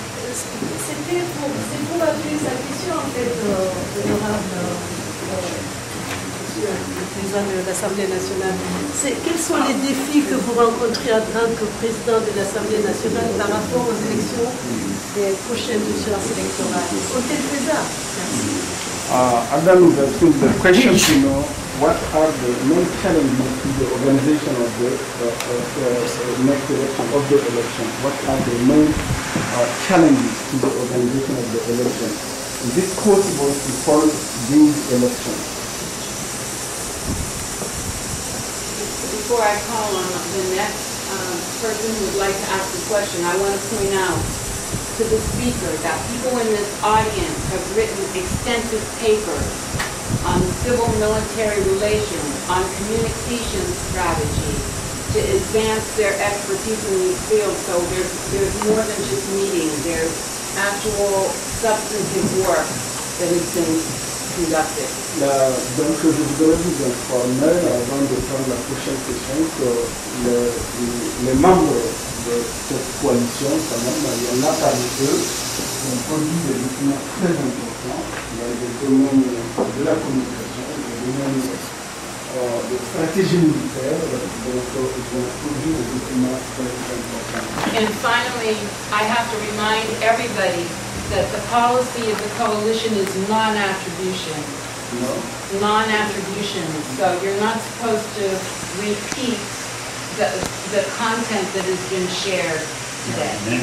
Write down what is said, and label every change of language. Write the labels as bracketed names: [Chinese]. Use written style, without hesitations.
[French] C'est pour appuyer sa question, en fait, honorable président de l'Assemblée nationale. C'est, quels sont les défis que vous rencontrez en tant que président de l'Assemblée nationale par rapport aux élections des prochaines échéances électorales? Comptez-vous déjà? [English] Adam, the question is, what are the main challenges to the organization of the next election? What are the main challenges to the organization of the election? Is it possible to hold these elections? Before I call on the next person who would like to ask a question, I want to point out to the speaker that people in this audience have written extensive papers on civil-military relations, on communication strategy to advance their expertise in these fields. So there's more than just meetings. There's actual substantive work that has been conducted. [French] Donc, je voudrais vous informer avant de prendre la prochaine question que les membres de cette coalition, quand même, il y en a parmi eux, qui ont produit des documents très importants dans le domaine de la communication, dans le domaine de stratégie militaire. Donc, ils ont produit des documents très importants. [English] And finally, I have to remind everybody that the policy of the coalition is non-attribution. No. Non-attribution. So you're not supposed to repeat the content that has been shared today.